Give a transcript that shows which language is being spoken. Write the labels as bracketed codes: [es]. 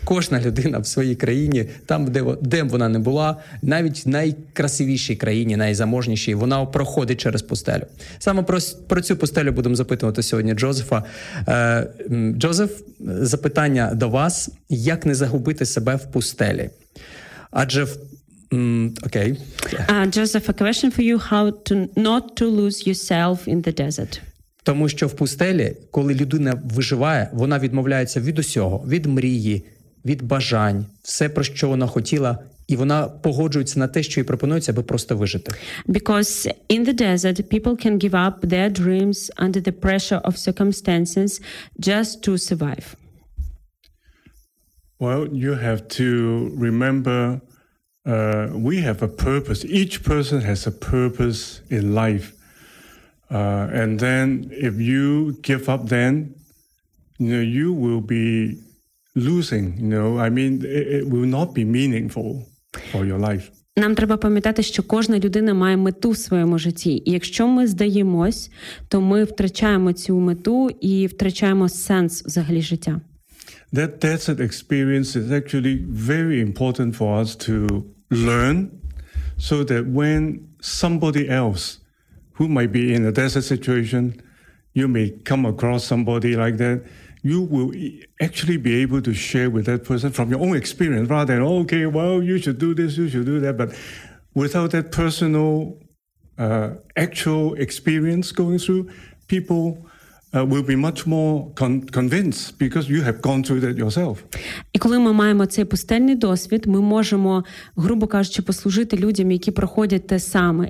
[uk] Кожна людина в своїй країні, там, де вона не була, навіть в найкрасивішій країні, найзаможнішій, вона проходить через пустелю. Саме про цю пустелю будемо запитувати сьогодні Джозефа. Джозеф, запитання до вас. Як не загубити себе в пустелі? Адже в Okay. [en] Joseph, a question for you: how to not to lose yourself in the desert? [uk] Тому що в пустелі, коли людина виживає, вона відмовляється від усього, від мрії, від бажань, все про що вона хотіла, і вона погоджується на те, що їй пропонується, аби просто вижити. [en] Because in the desert, people can give up their dreams under the pressure of circumstances just to survive. Well, you have to remember. We have a purpose. Each person has a purpose in life. And then if you give up then, you know, you will be losing, you know. I mean, it will not be meaningful for your life. [uk] Нам треба пам'ятати, що кожна людина має мету в своєму житті. І якщо ми здаємось, то ми втрачаємо цю мету і втрачаємо сенс взагалі життя. [en] That desert experience is actually very important for us to learn so that when somebody else who might be in a desert situation, you may come across somebody like that, you will actually be able to share with that person from your own experience rather than, okay, well, you should do this, you should do that. But without that personal actual experience going through, people will be much more convinced because you have gone through that yourself. [uk] І коли ми маємо цей пустельний досвід, ми можемо, грубо кажучи, послужити людям, які проходять те саме.